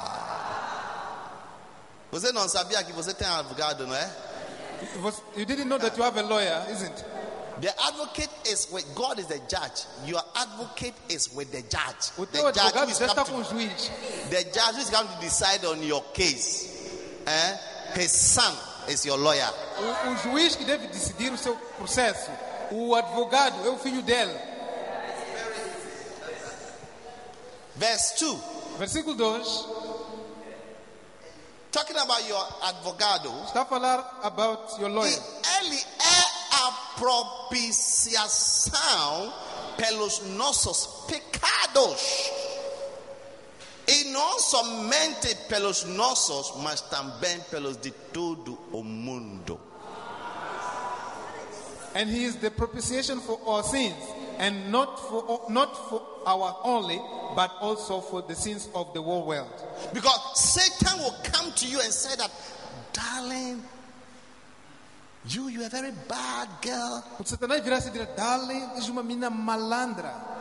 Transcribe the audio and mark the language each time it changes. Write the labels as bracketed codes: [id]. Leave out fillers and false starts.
[pt] Uau! Você não sabia que você tem advogado, não é? [en] You didn't know that you have a lawyer, isn't it? The advocate is with God, is the judge. Your advocate is with the judge. The judge who is coming to juiz. The judge who is going to decide on your case. Eh? His son is your lawyer. [pt] O juiz que deve decidir o seu processo. O advogado é o filho dele. [en] Verse 2. [pt] Versículo 2. [en] Talking about your advogado. [pt] Está a falar [en] about your lawyer. [pt] Ele é a propiciação pelos nossos pecados. E não somente pelos nossos, mas também pelos de todo o mundo. [en] And he is the propitiation for our sins, and not for our only, but also for the sins of the whole world. Because Satan will come to you and say that, darling, you are a very bad girl. [pt] Satan vai vir e dizer, darling, és uma menina malandra.